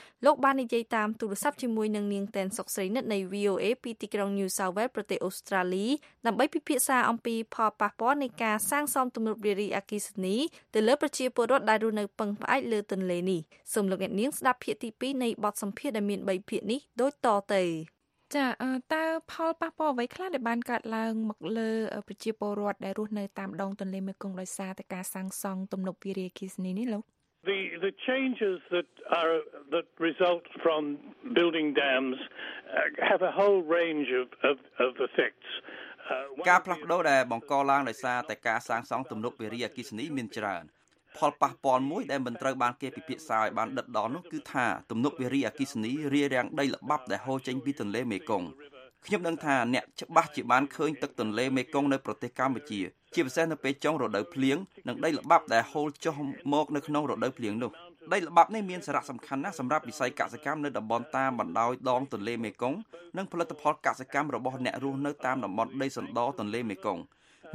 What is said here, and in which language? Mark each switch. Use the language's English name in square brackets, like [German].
[Khmer] លោកបាននិយាយតាមទូរស័ព្ទជាមួយនឹងនាងតែនសុកស្រីនិតនៃ VOA ពីទីក្រុង New South Wales ប្រទេសអូស្ត្រាលីដើម្បីពិភាក្សាអំពីផលប៉ះពាល់នៃការសាងសង់ទំនប់វារីអគ្គិសនីទៅលើប្រជាពលរដ្ឋដែលរស់នៅពឹងផ្អែកលើទន្លេនេះសូមលោកអ្នកនាងស្ដាប់ភាគទី2នៃបទសម្ភាសន៍ដែលមាន3ភាគនេះដូចតទៅ ចាតើផលប៉ះពាល់អ្វីខ្លះដែលបានកើតឡើងមកលើប្រជាពលរដ្ឋដែលរស់នៅតាមដងទន្លេមេគង្គដោយសារតែការសាងសង់ទំនប់វារីអគ្គិសនីនេះលោក [English] The changes that result from building dams have a whole range of effects. [Khmer] ការផ្លាស់ប្តូរដែលបង្កឡើងដោយសារតែការសាងសង់ទំនប់វារីអគ្គិសនីមានច្រើនផលប៉ះពាល់មួយដែលមិនត្រូវបានគេពិភាក្សាឲ្យបានដិតដល់នោះគឺថាទំនប់វារីអគ្គិសនីរារាំងដីល្បាប់ដែលហូរចេញពីទន្លេមេគង្គ ខ្ញុំដឹងថាអ្នកច្បាស់ជាបានឃើញទឹកទន្លេមេគង្គនៅប្រទេសកម្ពុជាជាពិសេសនៅពេលចុងរដូវភ្លៀងនិងដីល្បាប់ដែលហូរចុះមកនៅក្នុងរដូវភ្លៀងនោះដីល្បាប់នេះមានសារៈសំខាន់ណាស់សម្រាប់វិស័យកសិកម្មនៅតំបន់តាមបណ្ដោយដងទន្លេមេគង្គនិងផលិតផលកសិកម្មរបស់អ្នករស់នៅតាមតំបន់ដីសណ្ដទន្លេមេគង្គ